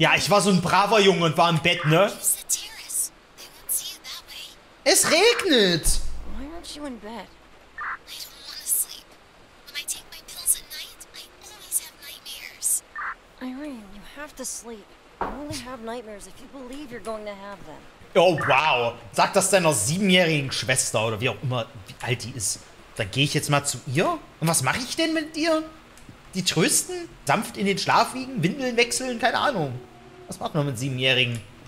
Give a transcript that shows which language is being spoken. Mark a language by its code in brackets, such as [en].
[de] ja, ich war so ein braver Junge und war im Bett, ne? [en] Use the terrace. They won't see you that way. [de] Es regnet. [en] Why aren't you in bed? I don't want to sleep. When I take my pills at night, I always have nightmares. Irene, you have to sleep. You only have nightmares if you believe you're going to have them. Oh, wow. [de] Sag das deiner 7-jährigen Schwester oder wie auch immer, wie alt die ist. Dann gehe ich jetzt mal zu ihr. Und was mache ich denn mit dir? Die trösten? Sanft in den Schlaf wiegen? Windeln wechseln? Keine Ahnung. Was macht man mit 7-Jährigen?